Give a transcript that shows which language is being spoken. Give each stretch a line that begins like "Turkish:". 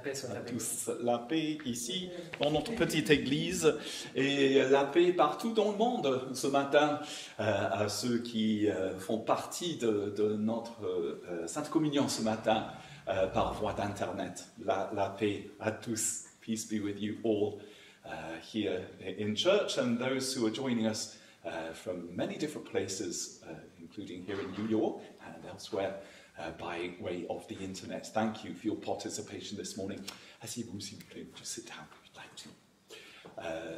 French: soit avec tous. La paix ici, dans notre petite église, et la paix partout dans le monde ce matin, à ceux qui font partie de notre Sainte Communion ce matin par voie d'Internet. La paix à tous.
English: Peace be with you all here in church, and those who are joining us from many different places, including here in New York and elsewhere. By way of the internet. Thank you for your participation this morning.
French: Asseyez-vous, s'il vous plaît,
English: just sit down if you'd like to.